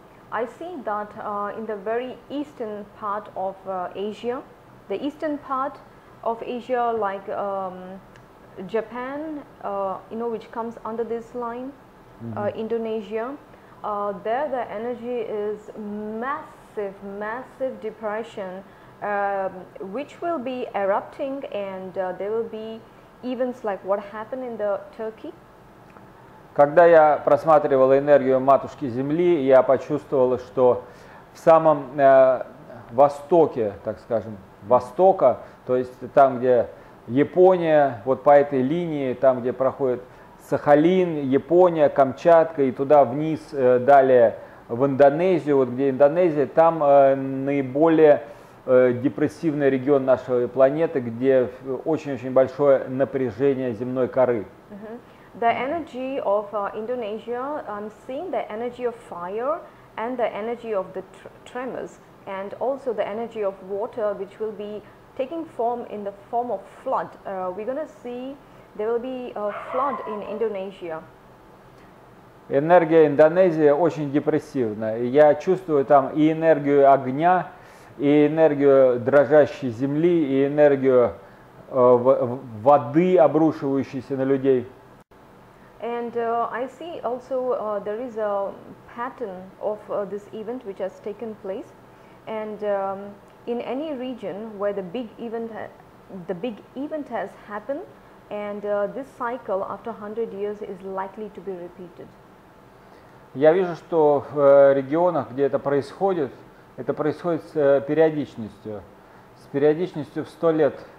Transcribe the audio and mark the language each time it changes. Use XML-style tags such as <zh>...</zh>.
<en>I see that in the very eastern part of Asia, the eastern part of Asia, like Japan, you know, which comes under this line, mm-hmm. Indonesia, there the energy is massive, massive depression, which will be erupting, and there will be events like what happened in the Turkey.</en> <ru>Когда я просматривал энергию Матушки Земли, я почувствовал, что в самом востоке, так скажем, востока, то есть там, где Япония, вот по этой линии, там, где проходит Сахалин, Япония, Камчатка, и туда вниз, далее в Индонезию, вот где Индонезия, там наиболее депрессивный регион нашей планеты, где очень-очень большое напряжение земной коры.</ru> <en>The energy of Indonesia, I'm seeing the energy of fire and the energy of the tremors and also the energy of water, which will be taking form in the form of flood. We're going to see there will be a flood in Indonesia.</en> <ru>Энергия Индонезии очень депрессивна. Я чувствую там и энергию огня, и энергию дрожащей земли, и энергию воды, обрушивающейся на людей.</ru> <en>And I see also there is a pattern of this event which has taken place. And in any region where the big event has happened, and this cycle after 100 years is likely to be repeated.</en> <ru>Я вижу, что в регионах, где это происходит с периодичностью в 100 лет.</ru>